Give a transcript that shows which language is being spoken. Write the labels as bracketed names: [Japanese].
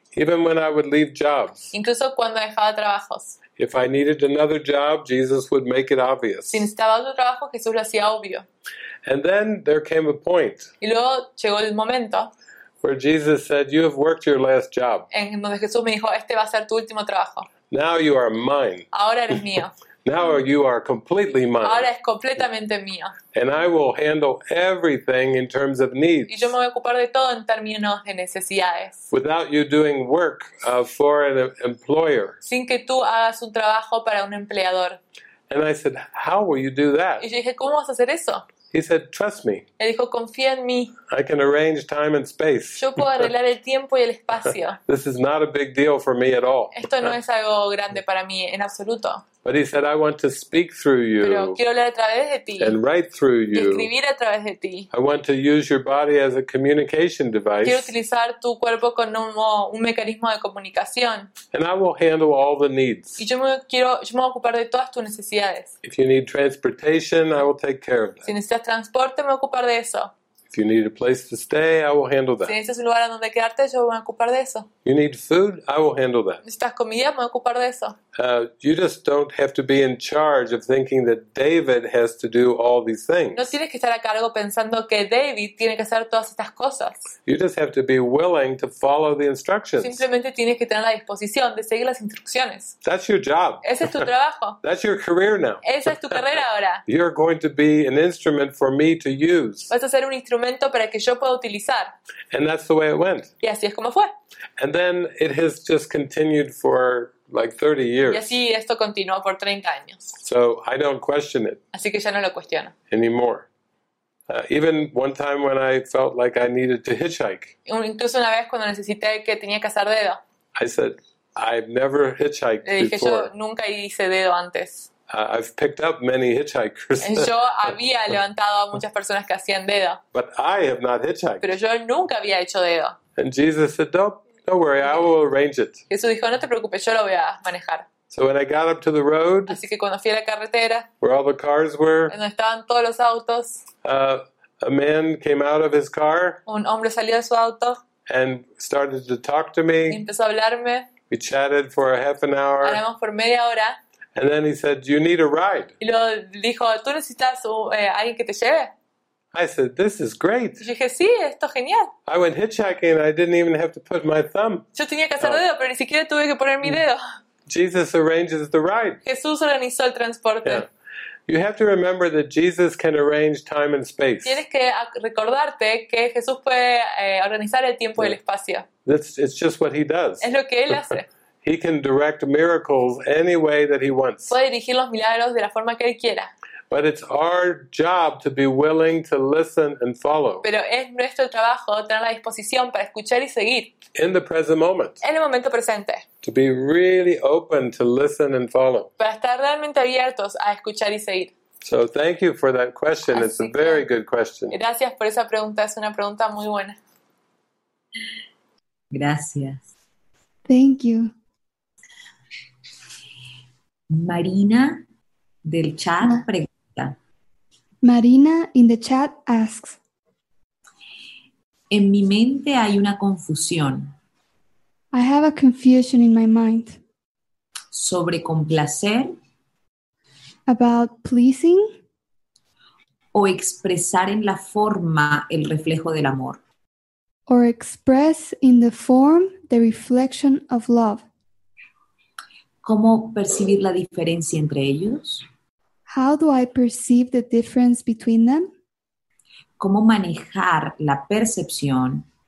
[English] Even when I would leave jobs. [Spanish] Incluso cuando dejaba trabajos. [English] If I needed another job, Jesus would make it obvious. [Spanish] Si necesitaba otro trabajo, Jesús lo hacía obvio. [English] And then there came a point. [Spanish] Y luego llegó el momento. [English] Where Jesus said, "You have worked your last job." [Spanish] En donde Jesús me dijo, este va a ser tu último trabajo. [English] Now you are mine. [Spanish] Ahora eres mío. [English] Now you are completely mine. [Spanish] Ahora es completamente mío. [English] And I will handle everything in terms of needs. [Spanish] Y yo me voy a ocupar de todo en términos de necesidades. [English] Without you doing work for an employer. [Spanish] Sin que tú hagas un trabajo para un empleador. [English] And I said, "How will you do that?" [Spanish] Y yo dije, ¿cómo vas a hacer eso? [English] He said, "Trust me." [Spanish] Él dijo, "Confía en mí." [English] I can arrange time and space. [Spanish] Yo puedo arreglar el tiempo y el espacio. [English] This is not a big deal for me at all. [Spanish] Esto no es algo grande para mí en absoluto. [English] But he said, "I want to speak through you." [Spanish] Pero quiero hablar a través de ti. [English] And write through you. [Spanish] Y escribir a través de ti. [English] I want to use your body as a communication device. [Spanish] Quiero utilizar tu cuerpo como un mecanismo de comunicación. [English] And I will handle all the needs. [Spanish] Y yo me voy a ocupar de todas tus necesidades. [English] If you need transportation, I will take care of that. [Spanish] Si necesitas transporte, me voy a ocupar de eso. [English] If you need a place to stay, I will handle that. [Spanish] Si necesitas un lugar donde quedarte, yo me voy a ocupar de eso. [English] You need food, I will handle that. [Spanish] Necesitas comida, me voy a ocupar de eso. [English] You just don't have to be in charge of thinking that David has to do all these things. [Spanish] No tienes que estar a cargo pensando que David tiene que hacer todas estas cosas. [English] You just have to be willing to follow the instructions. [Spanish] Simplemente tienes que tener la disposición de seguir las instrucciones. [English] That's your job. [Spanish] Ese es tu trabajo. [English] That's your career now. [Spanish] Esa es tu carrera ahora. [English] You're going to be an instrument for me to use. [Spanish] Vas a ser un instrumento para que yo pueda utilizar. [English] And that's the way it went. [Spanish] Y así es como fue. [English] And then it has just continued for like 30 years. [Spanish] Y así esto continuó por 30 años. [English] So I don't question it. [Spanish] Así que ya no lo cuestiono. [English] Anymore. Even one time when I felt like I needed to hitchhike. [Spanish] Incluso una vez cuando necesité que tenía que hacer dedo. [English] I said, "I've never hitchhiked before." [Spanish] Le dije, yo nunca hice dedo antes. [English] I've picked up many hitchhikers. [Spanish] Yo había levantado a muchas personas que hacían dedo. [English] But I have not hitchhiked. [Spanish] Pero yo nunca había hecho dedo. [English] And Jesus said, "Don't worry, I will arrange it." [Spanish] Jesús dijo, "No te preocupes, yo lo voy a manejar." [English] So when I got up to the road, [Spanish] así que cuando fui a la carretera, [English] where all the cars were, [Spanish] donde estaban todos los autos, [English] a man came out of his car, [Spanish] un hombre salió de su auto, [English] and started to talk to me. [Spanish] Y empezó a hablarme. [English] We chatted for a half an hour. [Spanish] Hablamos por media hora. [English] And then he said, "You need a ride." [Spanish] Y luego dijo, "¿Tú necesitas alguien que te lleve?" [English] I said, "This is great." [Spanish] Yo dije, sí, esto es genial. [English] I went hitchhiking and I didn't even have to put my thumb. [Spanish] Yo tenía que hacer dedo, pero ni siquiera tuve que poner mi dedo. [English] Jesus arranges the ride. [Spanish] Jesús organizó el transporte. [English] Yeah. You have to remember that Jesus can arrange time and space. [Spanish] Tienes que recordarte que Jesús puede organizar el tiempo y el espacio. [English] It's just what he does. [Spanish] Es lo que él hace. [English] He can direct miracles any way that he wants. [Spanish] Puede dirigir los milagros de la forma que él quiera. [English] But it's our job to be willing to listen and follow. [Spanish] Pero es nuestro trabajo tener la disposición para escuchar y seguir. [English] In the present moment. [Spanish] En el momento presente. [English] To be really open to listen and follow. [Spanish] Para estar realmente abiertos a escuchar y seguir. [English] So thank you for that question. [Spanish] Así [English] it's a very good question. [Spanish] Gracias por esa pregunta. Es una pregunta muy buena. Gracias. [English] Thank you. [Spanish] Marina del chat pregunta. [English] Marina in the chat asks, [Spanish] en mi mente hay una confusión. [English] I have a confusion in my mind. [Spanish] Sobre complacer. [English] About pleasing. [Spanish] O expresar en la forma el reflejo del amor. [English] Or express in the form the reflection of love. [Spanish] ¿Cómo percibir la diferencia entre ellos? [English] How do I perceive the difference between them? [Spanish] ¿Cómo manejar la percepción?